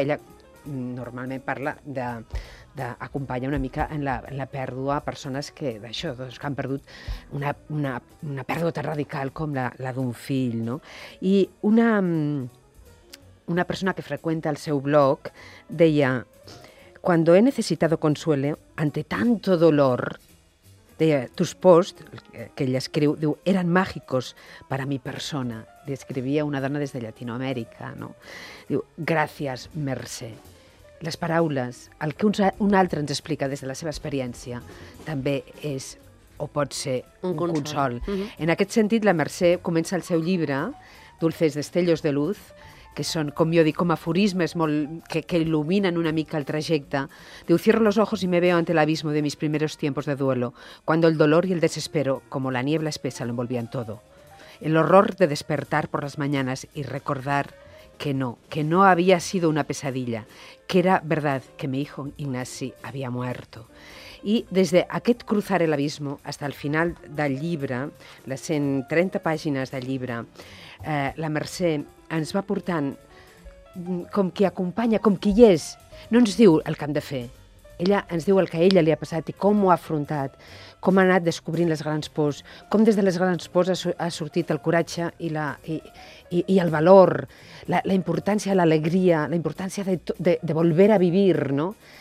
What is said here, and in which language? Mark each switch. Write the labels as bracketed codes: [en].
[ca] Ella normalment parla d'acompanyar una mica en la pèrdua a persones que, d'això, doncs, que han perdut una pèrdua tan radical com la d'un fill, no? I una persona que freqüenta el seu blog deia, [es] cuando he necesitado consuelo ante tanto dolor... [ca] Deia, [es] tus posts, [ca] que ella escriu, diu, eren màgicos per a mi persona. Li escrivia una dona des de Llatinoamèrica, no? Diu, gràcies, Mercè. Les paraules, el que un altre ens explica des de la seva experiència, també és o pot ser un consol. Mm-hmm. En aquest sentit, la Mercè comença el seu llibre, Dulces destellos de luz, que són, com jo dic, com aforismes molt, que il·luminen una mica el trajecte. Diu, [es] cierro los ojos y me veo ante el abismo de mis primeros tiempos de duelo, cuando el dolor y el desespero, como la niebla espesa, lo envolvían todo. El horror de despertar por las mañanas y recordar que no había sido una pesadilla, que era verdad que mi hijo Ignasi había muerto. [ca] I des d'aquest [es] cruzar el abismo [ca] fins al final del llibre, les 130 pàgines del llibre, la Mercè ens va portant com qui acompanya, com qui hi és. No ens diu el que hem de fer. Ella ens diu el que a ella li ha passat i com ho ha afrontat, com ha anat descobrint les grans pors, com des de les grans pors ha sortit el coratge i el valor, la importància de l'alegria, la importància de [es] volver a vivir, [ca] no?